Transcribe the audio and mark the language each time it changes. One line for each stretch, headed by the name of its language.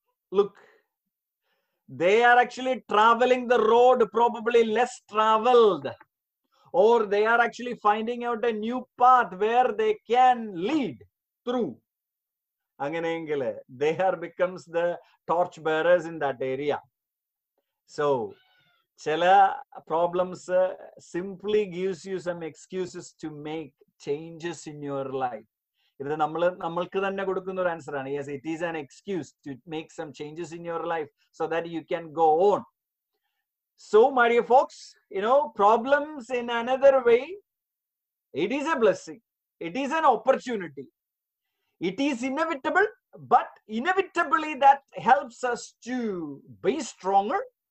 English: Look, they are actually traveling the road probably less traveled, or they are actually finding out a new path where they can lead through.
Malayalam: Anganeengile,
English: they are becomes the torch bearers in that area. So
Malayalam: chela
English: problems simply gives you some excuses to make changes in your life.
Malayalam: ഇത് നമ്മൾ നമ്മൾക്ക് തന്നെ കൊടുക്കുന്ന ഒരു answer ആണ്.
English: Yes, it is an excuse to make some changes in your life so that you can go on. So my dear folks, you know, problems in another way, it is a blessing, it is an opportunity, it is inevitable, but inevitably that helps us to be stronger.